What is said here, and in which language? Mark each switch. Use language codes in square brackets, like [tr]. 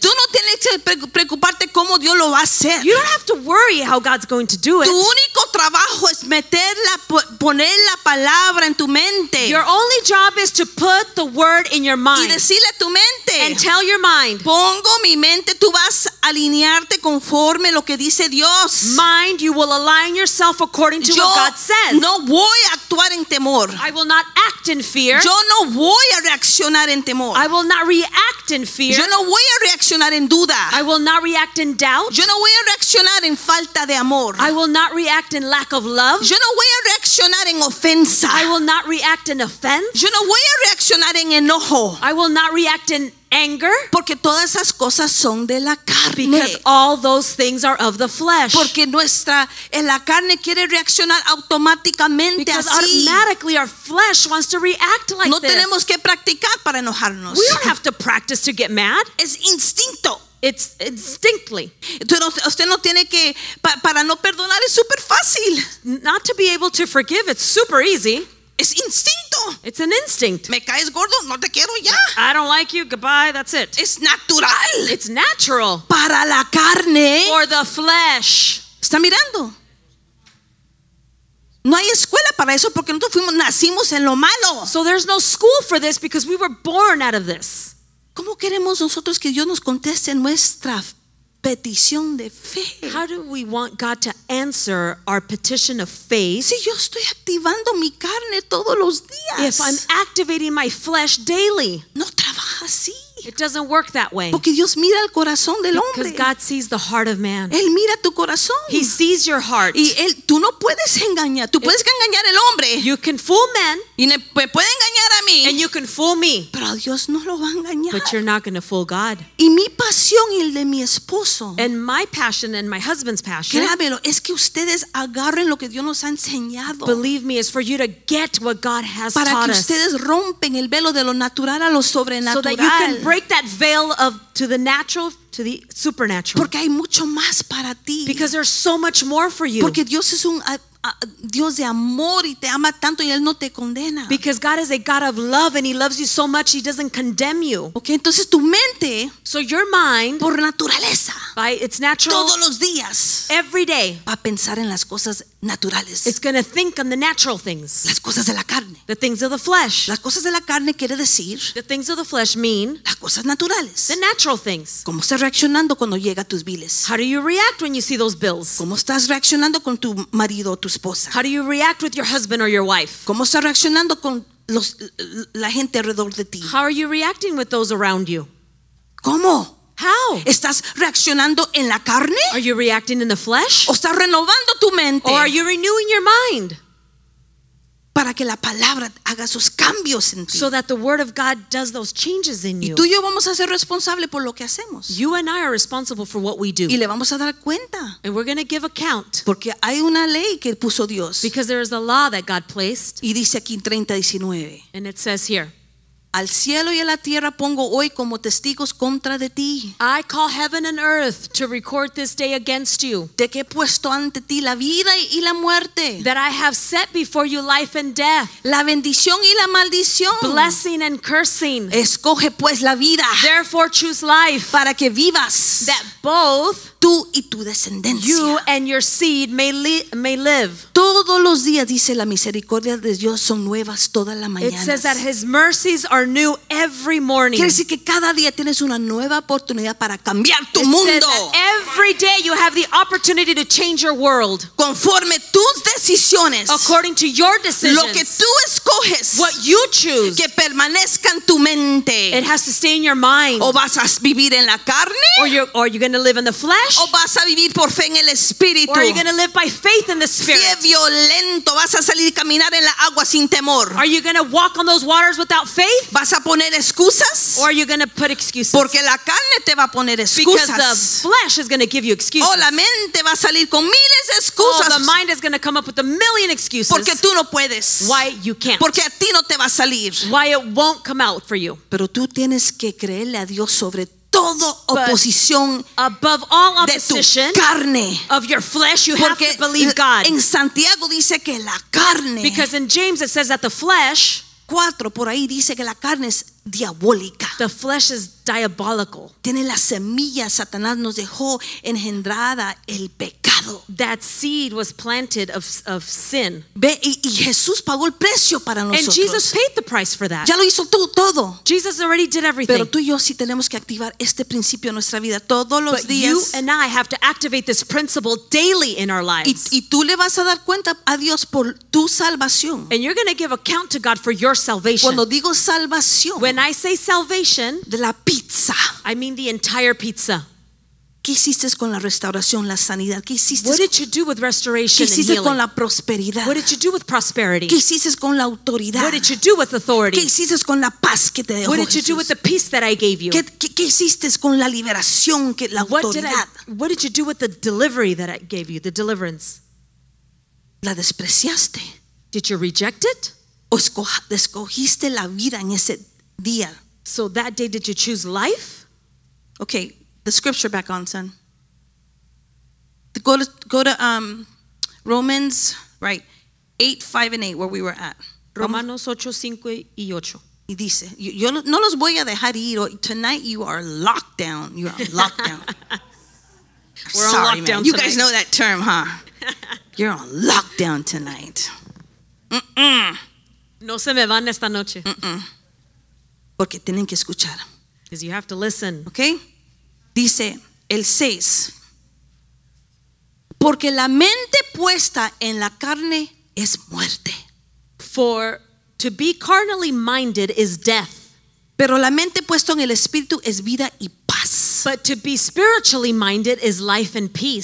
[es] Tú no tienes que preocuparte cómo Dios lo va a hacer. [en] You don't have to worry how God's going to do it. [es] Tu único trabajo es poner la palabra en tu mente. [en] Your only job is to put the word in your mind. [es] Y decirle a tu mente, [en] and tell your mind. [es] Pongo mi mente, tú vas a alinearte conforme lo que dice Dios. [en] Mind, you will align yourself according to [es] yo [en] what God says. [es] No voy a actuar en temor. [en] I will not act in fear. [es] Yo no voy a reaccionar en temor. [en] I will not react in fear. [es] Yo no voy a reaccionar en duda. [en] I will not react in doubt. [es] Yo no voy a reaccionar en falta de amor. [en] I will not react in lack of love. [es] Yo no voy a reaccionar en ofensa. [en] I will not react in offense. [es] Yo no voy a reaccionar en enojo. [en] I will not react in anger. [es] Porque todas esas cosas son de la carne. [en] Because all those things are of the flesh. [es] Porque la carne quiere reaccionar automáticamente [en] because [es] así. [en] Because automatically our flesh wants to react like [es] no [en] this. [es] No tenemos que practicar para enojarnos. [en] We don't have to practice to get mad. [es] Es instinto. [en] It's instinctly. [es] Usted no tiene que para no perdonar es super fácil. [en] Not to be able to forgive, it's super easy. [es] Es instinto. [en] It's an instinct. [es] Me caes gordo, no te quiero ya. [en] I don't like you, goodbye, that's it. [es] Es natural. [en] It's natural. [es] Para la carne. [en] For the flesh. [es] ¿Está mirando? No hay escuela para eso porque nosotros nacimos en lo malo. [en] So there's no school for this because we were born out of this. [es] ¿Cómo queremos nosotros que Dios nos conteste nuestra petición de fe? [en] How do we want God to answer our petition of faith? [es] Si yo estoy activando mi carne todos los días. [en] If I'm activating my flesh daily. [es] No trabaja así. [en] It doesn't work that way. [es] Porque Dios mira el corazón del hombre. [en] Because God sees the heart of man. [es] Él mira tu corazón. [en] He sees your heart. [es] Y él, tú no puedes engañar. Tú puedes engañar el hombre. [en] You can fool men. [es] Y me puede engañar a mí. [en] And you can fool me. [es] Pero Dios no lo va a engañar. [en] But you're not going to fool God. [es] Y mi pasión y el de mi esposo. [en] And my passion and my husband's passion. [es] Créamelo, es que ustedes agarren lo que Dios nos ha enseñado. [en] Believe me, it's for you to get what God has taught us. [es] Para que ustedes rompen el velo de lo natural a lo sobrenatural. [en] So that you can break that veil of to the natural to the supernatural. [es] Porque hay mucho más para ti. [en] Because there's so much more for you. [es] Porque Dios es un Dios de amor y te ama tanto y él no te condena. [en] Because God is a God of love and he loves you so much he doesn't condemn you. [es] Okay, entonces tu mente, [en] so your mind, [es] por naturaleza, [en] by its natural, [es] todos los días, [en] every day, [es] va a pensar en las cosas naturales. [en] It's going to think on the natural things. [es] Las cosas de la carne. [en] The things of the flesh. [es] Las cosas de la carne quiere decir, [en] the things of the flesh mean, [es] las cosas naturales. [en] The natural things. [es] ¿Cómo estás reaccionando cuando llega tus bills? [en] How do you react when you see those bills? [es] ¿Cómo estás reaccionando con tu marido o tu esposa? [en] How do you react with your husband or your wife? [es] ¿Cómo estás reaccionando con la gente alrededor de ti? [en] How are you reacting with those around you? [es] ¿Cómo? [en] How? [es] ¿Estás reaccionando en la carne? [en] Are you reacting in the flesh? [es] ¿O estás renovando tu mente? [en] Or are you renewing your mind? [es] Para que la palabra haga sus cambios en ti. [en] So that the word of God does those changes in you. [es] Y tú y yo vamos a ser responsables por lo que hacemos. [en] You and I are responsible for what we do. [es] Y le vamos a dar cuenta. [en] And we're going to give account. [es] Porque hay una ley que puso Dios. [en] Because there is a law that God placed. [es] Y dice aquí en 30:19. [en] And it says here. [es] Al cielo y a la tierra pongo hoy como testigos contra de ti. [en] I call heaven and earth to record this day against you. [es] De que he puesto ante ti la vida y la muerte. [en] That I have set before you life and death. [es] La bendición y la maldición. [en] Blessing and cursing. [es] Escoge pues la vida. [en] Therefore choose life. [es] Para que vivas. [en] That both [es] tú y tu descendencia. [en] You and your seed may live. [es] Todos los días dice la misericordia de Dios son nuevas todas las mañanas. [en] It says that his mercies are new every morning. [es] Quiere decir que cada día tienes una nueva oportunidad para cambiar tu [en] it [es] mundo. [en] Says that every day you have the opportunity to change your world. [es] Conforme tus decisiones. [en] According to your decisions. [es] Lo que tú escoges. [en] What you choose. [es] Que permanezca en tu mente. [en] It has to stay in your mind. [es] O vas a vivir en la carne. [en] Or you're going to live in the flesh. [es] O vas a vivir por fe en el Espíritu. [en] Or are you going to live by faith in the Spirit? [es] Si es violento, vas a salir a caminar en la agua sin temor. [en] Are you going to walk on those waters without faith? [es] Vas a poner excusas. [en] Or are you going to put excuses? [es] Porque la carne te va a poner excusas. [en] Because the flesh is going to give you excuses. [es] O la mente va a salir con miles de excusas. [en] Oh, the mind is going to come up with a million excuses. [es] Porque tú no puedes. [en] Why you can't? [es] Porque a ti no te va a salir. [en] Why it won't come out for you? [es] Pero tú tienes que creerle a Dios sobre todo. Todo oposición [en] above all opposition [es] de tu carne. [en] Of your flesh, you [es] porque [en] have to believe God. [es] En Santiago dice que la carne, [en] because in James it says that the flesh, [es] cuatro, por ahí dice que la carne es diabólica. [en] The flesh is diabolical. [es] Tiene la semilla, Satanás nos dejó engendrada el pecado. [en] That seed was planted of sin. [es] Ve, y Jesús pagó el precio para [en] and [es] nosotros. [en] And Jesus paid the price for that. [es] Ya lo hizo todo. [en] Jesus already did everything. [es] Pero tú y yo sí tenemos que activar este principio en nuestra vida todos los [en] but [es] días. [en] But you and I have to activate this principle daily in our lives. [es] Y tú le vas a dar cuenta a Dios por tu salvación. [en] And you're going to give account to God for your salvation. [es] Cuando digo salvación, [en] when I say salvation, [es] de la pizza, [en] I mean the entire pizza. [es] ¿Qué hiciste con la restauración, la sanidad? ¿Qué hiciste? [en] What did you do with restoration? [es] ¿Qué hiciste con la prosperidad? [en] What did you do with prosperity? [es] ¿Qué hiciste con la autoridad? [en] What did you do with authority? [es] ¿Qué hiciste con la paz que te dejó? [en] What did you do with the peace that I gave you? [es] ¿Qué hiciste con la liberación, que la autoridad? [en] What did you do with the delivery that I gave you, the deliverance? [es] ¿La despreciaste? [en] Did you reject it? [es] ¿O escogiste la vida en ese día? [en] So that day, did you choose life? Okay, the scripture back on, son. Go to Romans, right, 8, 5, and 8, where we were at. [es] Romanos 8, 5, y 8. Y dice, yo no los voy a dejar ir. [en] Tonight, you are locked down. You are locked down. We're sorry, man. Tonight. You guys know that term, huh? You're on lockdown tonight. Mm-mm. [es] No se me van esta noche. Mm-mm. Porque tienen que escuchar. [en] Because you have to listen. [es] Okay? Dice, el 6. Porque la mente puesta en la carne es muerte. [en] For to be carnally minded is death. [es] Pero la mente puesta en el espíritu es vida y paz. [en] But to be spiritually minded is life and peace.